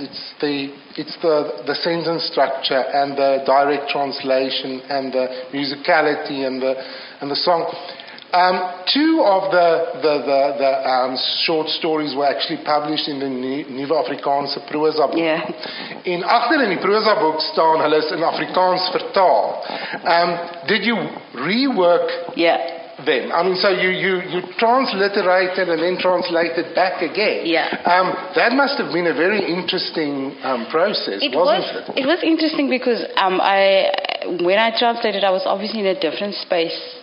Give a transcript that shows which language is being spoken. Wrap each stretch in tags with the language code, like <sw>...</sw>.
<en>It's the sentence structure and the direct translation and the musicality and the song. Two of the short stories were actually published in the Nuwe Afrikaanse Proza Boek. Yeah.</en> <af>En agter in die Proza Boek staan hulle is in Afrikaans vertaal.</af> <en>Did you rework them? I mean, so you transliterated and then translated back again. Yeah. That must have been a very interesting process, wasn't it? It was interesting because when I translated, I was obviously in a different space.</en>